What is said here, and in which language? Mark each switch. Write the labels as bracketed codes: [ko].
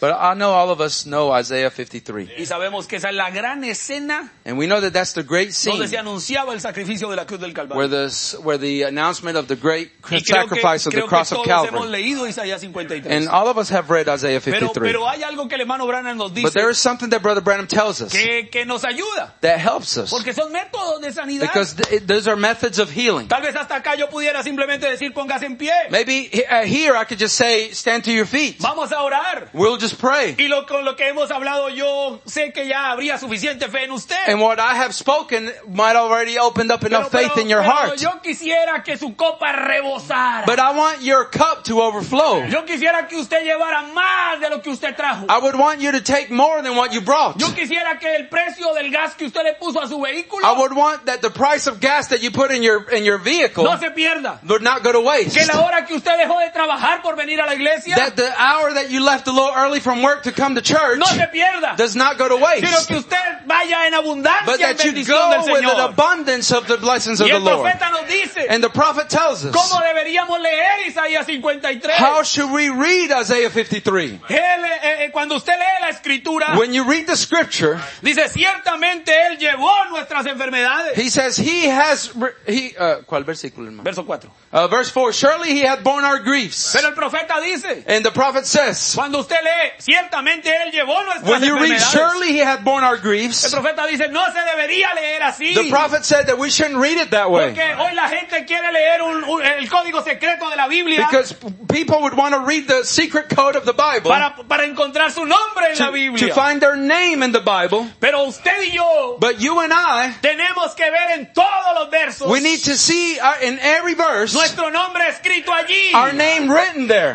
[en] But I know all of us know Isaiah 53. [es] Y sabemos que esa es la gran escena. [en] And we know that that's the great scene. [es] Donde se anunciaba el sacrificio de la cruz del Calvario. [en] Where the announcement of the great sacrifice of the cross of Calvary. [es] Creo que todos hemos leído Isaías 53. [en] And all of us have read Isaiah 53. [es] Pero hay algo que el hermano Branham nos dice. [en] But there is something that Brother Branham tells us. [es] Que nos ayuda. [en] That helps us. [es] Porque son métodos de sanidad. [en] Because those are methods of healing. [es] Tal vez hasta acá yo pudiera simplemente decir póngase en pie. [en] Maybe here I could just say stand to your feet. [es] Vamos a orar. [en] We'll just pray. [es] Y con lo que hemos hablado, yo sé que ya habría suficiente fe en usted. [en] And what I have spoken might already opened up enough faith in your heart. [es] Yo quisiera que su copa rebosara. [en] But I want your cup to overflow. [es] Yo quisiera que usted llevara más de lo que usted trajo. [en] I would want you to take more than what you brought. [es] Yo quisiera que el precio del gas que usted le puso a su vehículo. [en] I would want that the price of gas that you put in your vehicle. [es] No se pierda. [en] Would not go to waste. [es] Que la hora que usted dejó de trabajar por venir a la iglesia. [en] That the hour that you left a little early from work to come to church [es] no se pierda, [en] does not go to waste. [es] Sino que usted vaya en abundancia, [en] but that [es] en [en] you go [es] del Señor. [en] With an abundance of the blessings [es] y [en] of the Lord. [es] Profeta nos dice, [en] and the prophet tells us, [es] ¿cómo deberíamos leer Isaías 53? [en] How should we read Isaiah 53? [es] Cuando usted lee la escritura, [en] when you read the scripture, [es] dice, ciertamente él llevó nuestras enfermedades. [en] He says he has... [es] ¿cuál versículo, hermano? Verso 4. [en] Verse 4, surely he had borne our griefs. [es] Pero el profeta dice, [en] and the prophet says, [es] cuando usted lee, ciertamente él llevó nuestras [en] when you [es] enfermedades, [en] read, surely he had borne our griefs. [es] El profeta dice, no se debería leer así. [en] The prophet said that we shouldn't read it that way. [es] Porque hoy la gente quiere leer el código secreto de la Biblia. [en] Because people would want to read the secret code of the Bible. [es] Para encontrar su nombre en la Biblia. [en] To find their name in the Bible. [es] Pero usted y yo, [en] but you and I, [es] tenemos que ver en todos los versos, [en] we need to see in every verse, [es] nuestro nombre escrito allí. [en] Our name written there.